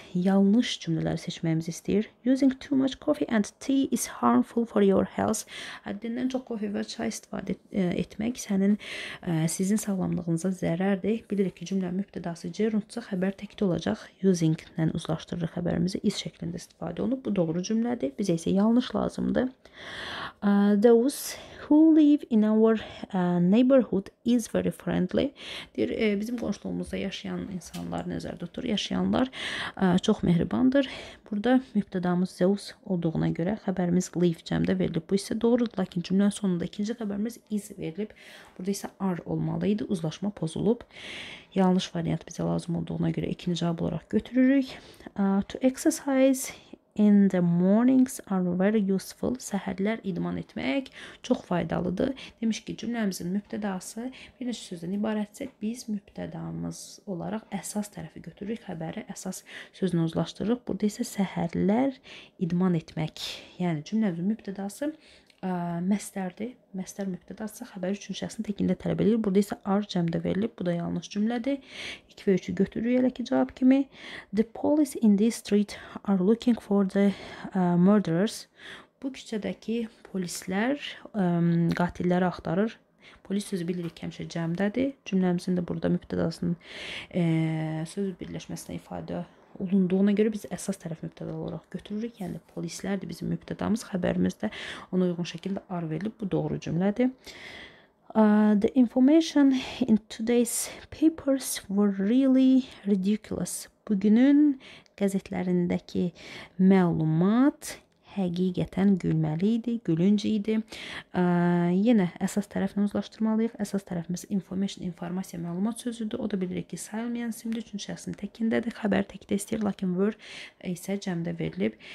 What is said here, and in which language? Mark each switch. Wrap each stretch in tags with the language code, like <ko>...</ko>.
<az>Yanlış cümlələri seçməyimizi istəyir.</az> <en>Using too much coffee and tea is harmful for your health.</en> <az>Həddindən çox kofi və çay istifadə etmək sizin sağlamlığınıza zərərdir. Bilirik ki, cümlə mübtədası gerundsa xəbər təkdə olacaq. Using ilə uzlaşdırırıq xəbərimizi is şəklində istifadə olunub. Bu doğru cümlədir. Bizə isə yanlış lazımdır.</az> <en>Those who live in our neighborhood is very friendly.</en> <az>Deyir, bizim qonşuluğumuzda yaşayan insanlar, nəzərdə tutur, yaşayanlar çox mehribandır. Burada mübtədamız Zeus olduğuna görə xəbərimiz live cəmdə verilib. Bu isə doğrudur, lakin cümlənin sonunda ikinci xəbərimiz is verilib. Burada isə are olmalı idi, uzlaşma pozulub. Yanlış variant bizə lazım olduğuna görə ikinci cavab olaraq götürürük.</az> <en>To exercise in the mornings are very useful.</en> <az>Səhərlər idman etmək çox faydalıdır. Demiş ki, cümləmizin mübtədası bir neçə sözdən ibarətsə, biz mübtədamız olaraq əsas tərəfi götürürük, xəbəri əsas sözünə uzlaşdırırıq. Burada isə səhərlər idman etmək, yəni cümləmizin mübtədası məstərdir. Məstər mübtədası xəbər üçün şəxsin təkində tələb edir. Burada isə ar cəmdə verilib. Bu da yanlış cümlədir. 2 və 3-ü götürürük elə ki cavab kimi.</az> <en>The police in this street are looking for the murderers.</en> <az>Bu küçədəki polislər qatilləri axtarır. Polis sözü bilirik ki, həmişə cəmdədir. Cümləmizin də burada mübtədasının söz birləşməsində ifadə olunduğuna görə biz əsas tərəf mübtəda olaraq götürürük. Yəni, polislərdir bizim mübtədamız. Xəbərimizdə ona uyğun şəkildə ar verilib. Bu doğru cümlədir.</az> <en>The information in today's papers were really ridiculous.</en> <az>Bugünün qəzetlərindəki məlumat həqiqətən gülməli idi, gülünc idi. Yenə əsas tərəflə uzlaşdırmalıyıq. Əsas tərəfimiz information, informasiya, məlumat sözüdür. O da bilirik ki, sayılmayan simdir, çünki şəxsin təkindədir. Xəbər təkdə istəyir, lakin were isə cəmdə verilib.</az>